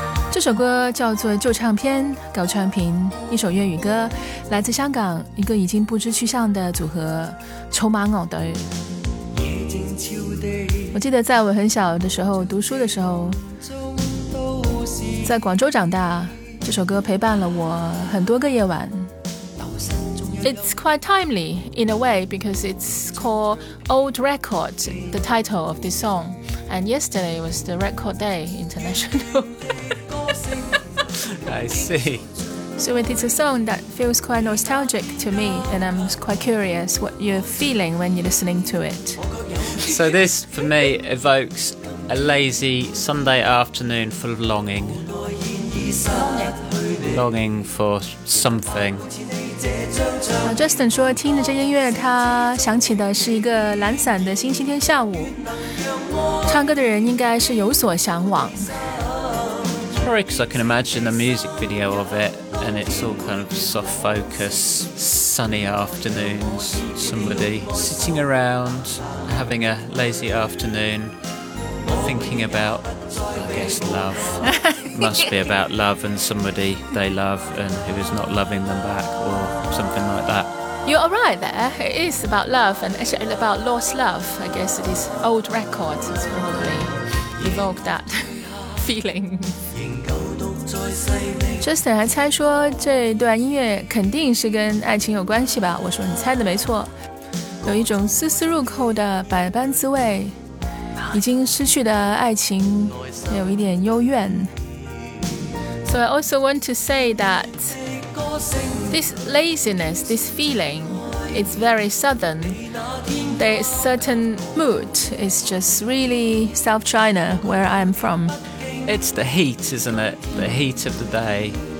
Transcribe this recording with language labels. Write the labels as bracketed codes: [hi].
[zh] 这首歌叫做旧唱片高川平，一首粤语歌，来自香港一个已经不知去向的组合筹码偶的。我记得在我很小的时候读书的时候，在广州长大，这首歌陪伴了我很多个夜晚。 [en] It's quite timely in a way because it's called Old Record, the title of this song. And yesterday was the Record Day International. I see. So it is a song that feels quite nostalgic to me, and I'm quite curious what you're feeling when you're listening to it. So this, for me, evokes a lazy Sunday afternoon full of longing. Longing for something. [zh] Justin 说听着这音乐他想起的是一个懒散的星期天下午，唱歌的人应该是有所向往。 [en] It's probably because I can imagine the music video of it and it's all kind of soft focus, sunny afternoons, somebody sitting around having a lazy afternoon thinking about, I guess, love. Must be about love and somebody they love and who is not loving them back or something like that. You are right there. It is about love and actually about lost love. I guess it is old records. It's probably evoked that feeling. [zh] Justin 还猜说这段音乐肯定是跟爱情有关系吧？我说你猜的没错，有一种丝丝入扣的百般滋味，已经失去的爱情有一点幽怨。 [en] So I also want to say that this laziness, this feeling, it's very southern. There's certain mood. It's just really South China, where I'm from. It's the heat, isn't it? The heat of the day.